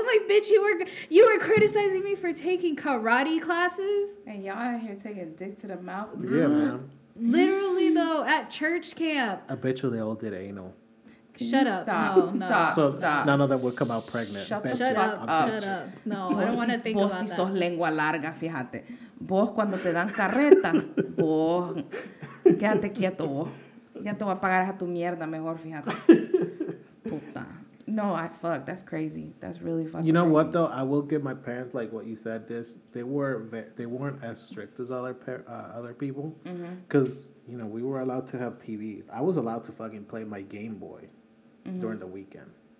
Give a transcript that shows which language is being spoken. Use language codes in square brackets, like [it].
[en] I'm like, bitch, you were criticizing me for taking karate classes. And y'all out here taking dick to the mouth. Yeah, mm-hmm. Man. Literally, though, at church camp. I bet you they all did anal. Shut up. Stop. None of them would come out pregnant. Shut up. No, I don't want to think about that. [es] Vos si sos lengua larga, fíjate. Vos cuando te dan carreta, vos... Quédate quieto, vos. Ya te voy a pagar a tu mierda mejor, fíjate. Puta. [en] No, that's crazy. That's really fucking crazy. You know crazy. What, though? I will give my parents, like what you said, this. They weren't as strict as other people. Because, mm-hmm. You know, we were allowed to have TVs. I was allowed to fucking play my Game Boy mm-hmm. during the weekend.